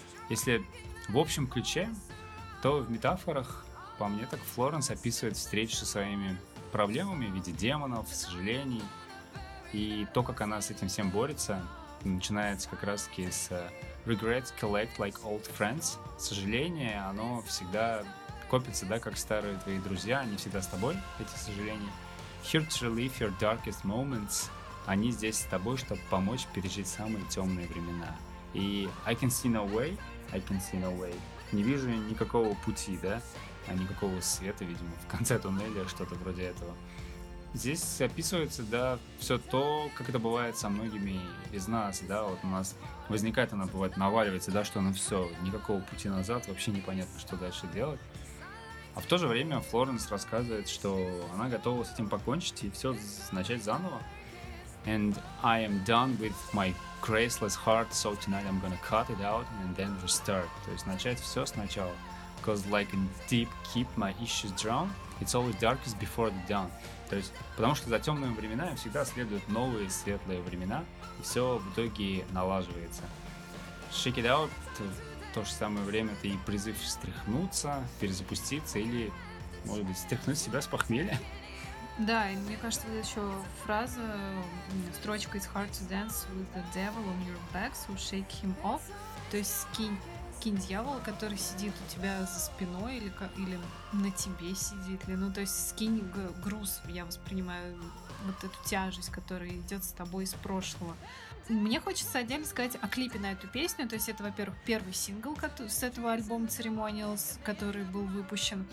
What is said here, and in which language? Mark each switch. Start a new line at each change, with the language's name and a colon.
Russian: Если в общем ключе, то в метафорах, по мне, так Флоренс описывает встречу со своими проблемами в виде демонов, сожалений, и то, как она с этим всем борется, начинается как раз таки с
English: «Regrets collect like old friends».
Russian: Сожаление, оно всегда копится, да, как старые твои друзья, они всегда с тобой, эти сожаления.
English: Here to relieve your darkest moments.
Russian: Они здесь с тобой, чтобы помочь пережить самые темные времена.
English: И I can see no way. I can see no way.
Russian: Не вижу никакого пути, да? А никакого света, видимо, в конце туннеля, что-то вроде этого. Здесь описывается, да, все то, как это бывает со многими из нас, да? Вот у нас возникает, она бывает, наваливается, да, что оно все, никакого пути назад, вообще непонятно, что дальше делать. А в то же время Флоренс рассказывает, что она готова с этим покончить и все начать заново.
English: And I am done with my graceless heart, so tonight I'm gonna cut it out and then restart.
Russian: То есть начать все сначала.
English: Cause like in deep keep my issues drown, it's always darkest before the dawn.
Russian: То есть потому что за темными временами всегда следуют новые светлые времена, и все в итоге налаживается.
English: Shake it out.
Russian: В то же самое время это и призыв встряхнуться, перезапуститься или, может быть, встряхнуть себя с похмелья. Да, и мне кажется, вот еще фраза, строчка
English: «It's hard to dance with the devil on your back, so shake him off».
Russian: То есть скинь дьявола, который сидит у тебя за спиной или на тебе сидит. Ну, то есть скинь груз, я воспринимаю вот эту тяжесть, которая идет с тобой из прошлого. Мне хочется отдельно сказать о клипе на эту песню. То есть это, во-первых, первый сингл с этого альбома Ceremonials, который был выпущен.